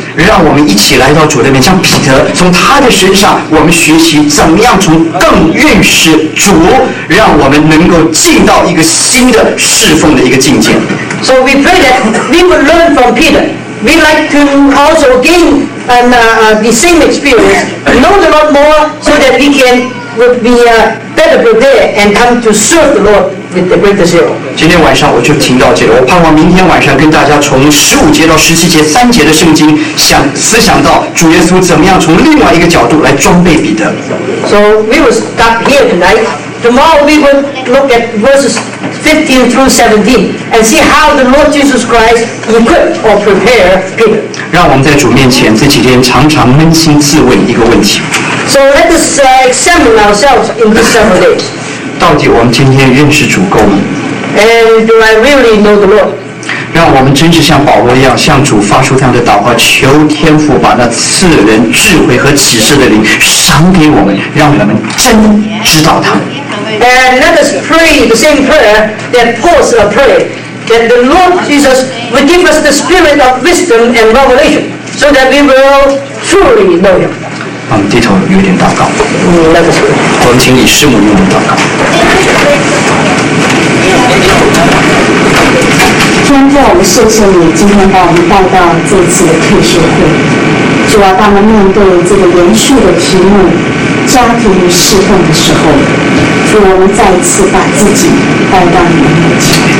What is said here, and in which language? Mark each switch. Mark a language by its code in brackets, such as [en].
[zh] 让我们一起来到主的面，像彼得，从他的身上，我们学习怎么样从更认识主，让我们能够进到一个新的侍奉的一个境界。 [en] So we pray that we would learn from Peter. We like to also gain and the same experience, know the Lord more, so that we can would be better prepared and come to serve the Lord. [zh] 今天晚上我就听到这个，我盼望明天晚上跟大家从十五节到十七节三节的圣经想思想到主耶稣怎么样从另外一个角度来装备彼得。 [en] So we will stop here tonight. Tomorrow we will look at verses 15 through 17 and see how the Lord Jesus Christ equipped or prepared Peter. [zh] 让我们在主面前这几天常常扪心自问一个问题。 [en] So let us examine ourselves in these several days. [zh] 到底我们今天认识主够吗？ [en] And do I really know the Lord? [zh] 让我们真是像保罗一样向主发出这样的祷告，求天父把那赐人智慧和启示的灵赏给我们，让我们真知道他。 [en] And let us pray the same prayer that Paul's a prayer, that the Lord Jesus will give us the spirit of wisdom and revelation, so that we will truly know him. [zh] 我们低头有点祷告。我们请你师母用我们祷告。天父，我们谢谢你今天把我们带到这次的特事会。主啊，当我们面对这个连续的题目“家庭与侍奉”的时候，主啊，我们再次把自己带到你的面前。